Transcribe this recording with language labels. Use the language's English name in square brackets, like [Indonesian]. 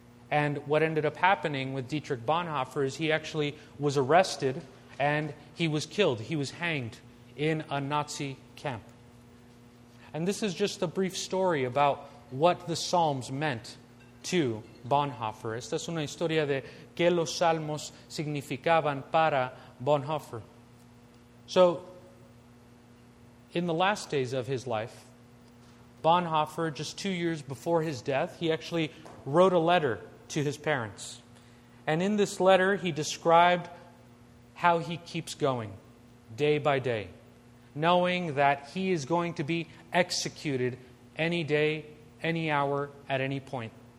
[English] And what ended up happening with Dietrich Bonhoeffer is he actually was arrested and he was killed. He was hanged in a Nazi camp. And this is just a brief story about what the Psalms meant to Bonhoeffer. [Spanish] Esta es una historia de qué los Salmos significaban para Bonhoeffer. [English] So, in the last days of his life, Bonhoeffer, just 2 years before his death, he actually wrote a letter to his parents. And in this letter, he described how he keeps going day by day, knowing that he is going to be executed any day, any hour, at any point.